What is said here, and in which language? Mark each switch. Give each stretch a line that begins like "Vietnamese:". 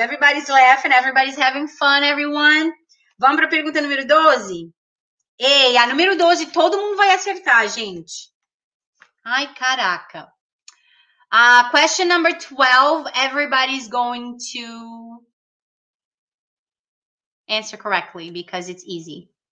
English: Everybody's laughing, everybody's having fun, everyone.
Portuguese: Vamos para a pergunta número 12? Ei, a número 12, todo mundo vai acertar, gente. Ai, caraca.
English: Question number 12, everybody's going to answer correctly, because it's easy.